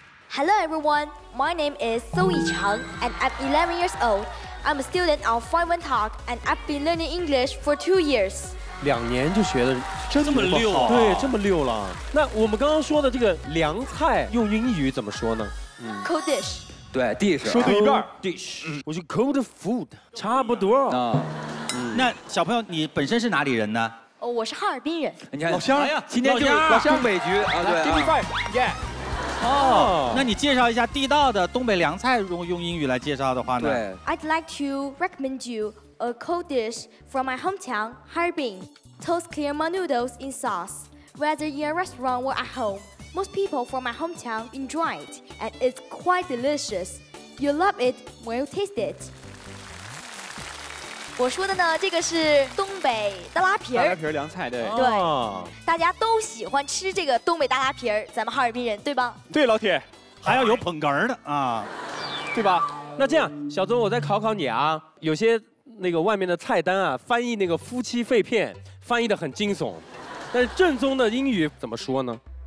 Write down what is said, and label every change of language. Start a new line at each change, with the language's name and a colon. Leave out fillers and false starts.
English: Hello everyone, my name is Zoe Cheng and I'm 11 years old. I'm a student on 5-1 Talk and I've been learning English for 2 years.
Chinese: 两年就学的真这么溜、啊、对，这么溜了。那我们刚刚说的这个凉菜用英语怎么说呢？
English: Cold dish。
Chinese: 对 ，
English: dish。
Chinese: 说对一半
English: ，dish。
Chinese: 我是
English: cold food，
Chinese: 差不多。啊、那小朋友，你本身是哪里人呢？哦，我是哈尔滨人。你看，老乡，今天就老乡北局啊，对啊。
English: Give me five， yeah。
Chinese: 哦，那你介绍一下地道的东北凉菜，用英语来介绍的话呢？对
English: ，I'd like to recommend you a cold dish from my hometown, Harbin. Toast clear my noodles in sauce. Whether in a restaurant or at home, most people from my hometown enjoy it, and it's quite delicious. You'll love it when you taste it.
Chinese: 我说的呢，这个是东北大拉皮儿，大拉皮儿凉菜，对、哦、对，大家都喜欢吃这个东北大拉皮儿，咱们哈尔滨人对吧？对，老铁，还要有捧哏的啊，对吧？那这样，小宗，我再考考你啊，有些那个外面的菜单啊，翻译那个夫妻肺片翻译得很惊悚，但是正宗的英语怎么说呢？